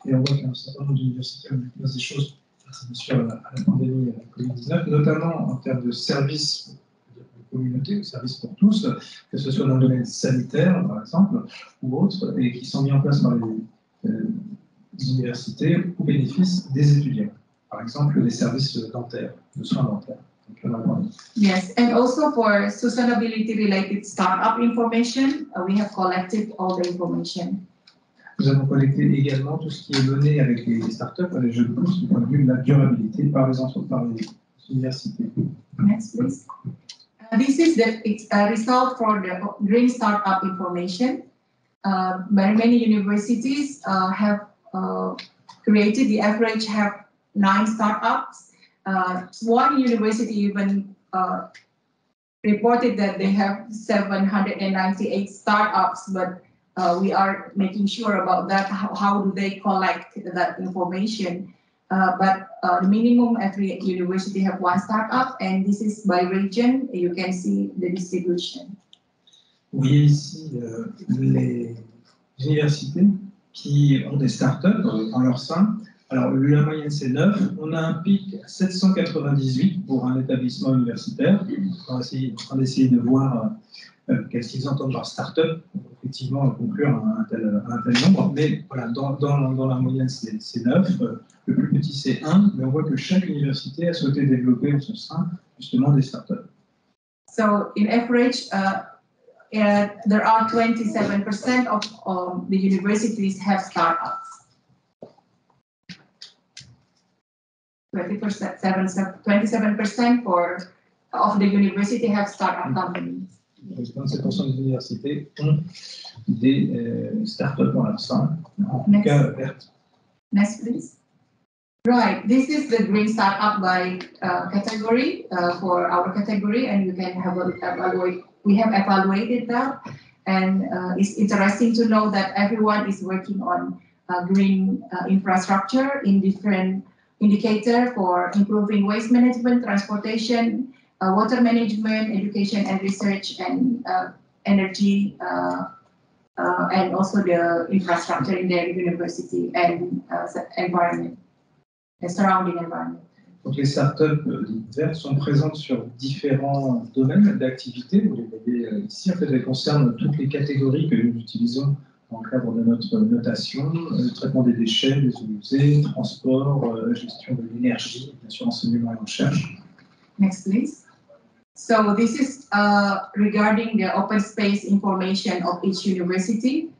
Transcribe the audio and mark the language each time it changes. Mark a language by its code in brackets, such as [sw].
[fr] Et on voit qu'un certain nombre d'universités ont mis des choses face bien sûr à la pandémie et à la COVID-19, notamment en termes de services de communauté, de services pour tous, que ce soit dans le domaine sanitaire, par exemple, ou autre, et qui sont mis en place par les universités au bénéfice des étudiants. Par exemple, les services dentaires, de soins dentaires. [en] Yes, and also for sustainability related startup information, we have collected all the information. [fr] Nous avons collecté également tout ce qui est donné avec les startups, les jeunes pousses, du point de vue de la durabilité par les entreprises, par les universités. [en] Next, please. This is a result for the green startup information. Many universities have created, the average have 9 startups. One university even reported that they have 798 startups, but we are making sure about that. How do they collect that information? But the minimum every university have 1 startup, and this is by region. You can see the distribution. [fr] Oui, ici les universités qui ont des startups en leur sein. Alors, la moyenne, c'est 9. On a un pic à 798 pour un établissement universitaire. On est en train d'essayer de voir qu'est-ce qu'ils entendent par start-up pour effectivement conclure un tel nombre. Mais voilà, dans la moyenne, c'est 9. Le plus petit, c'est 1. Mais on voit que chaque université a souhaité développer en son sein justement des start-up. [en] So, in average, there are 27% of the universities have start-ups. 27% of the university have startup companies. [fr] 27% des universités ont des startups dans leur sein, en cas verte. [en] Next, please. Right, this is the green startup by category for our category, and you can have evaluated that, and it's interesting to know that everyone is working on green infrastructure in different indicator for improving waste management, transportation, water management, education and research, and energy, and also the infrastructure in their university and environment, the surrounding environment. [fr] Donc les startups d'hiver sont présentes sur différents domaines d'activité. Vous les voyez ici, en fait, elles concernent toutes les catégories que nous utilisons dans le cadre de notre notation, le traitement des déchets, des eaux usées, transport, gestion de l'énergie, bien sûr, enseignement et recherche. [en] Next, please. So, this is regarding the open space information of each university.